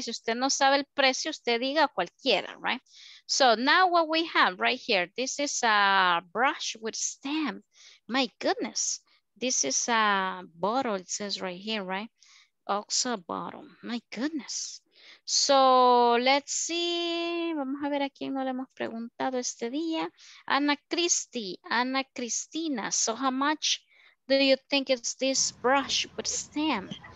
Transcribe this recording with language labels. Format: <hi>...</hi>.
<es>Si usted no sabe el precio, usted diga cualquiera,</es> <en>right? So now what we have right here, this is a brush with stem. My goodness, this is a bottle, it says right here, right? Also a bottle, my goodness. So let's see,</en> <es>vamos a ver a quién no le hemos preguntado este día.</es> <en>Ana Cristi, Ana Cristina, so how much do you think it's this brush with stem?</en>